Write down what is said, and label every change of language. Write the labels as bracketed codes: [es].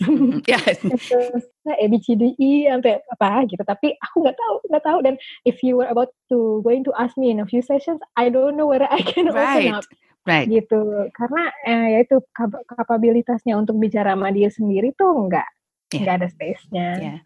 [id] Terus ABCDE sampai apa gitu, tapi aku enggak tahu. [en] Dan if you were going to ask me in a few sessions, I don't know whether I can open up. Right. [id] Gitu. Karena yaitu kapabilitasnya untuk bicara sama dia sendiri tuh enggak ada space-nya.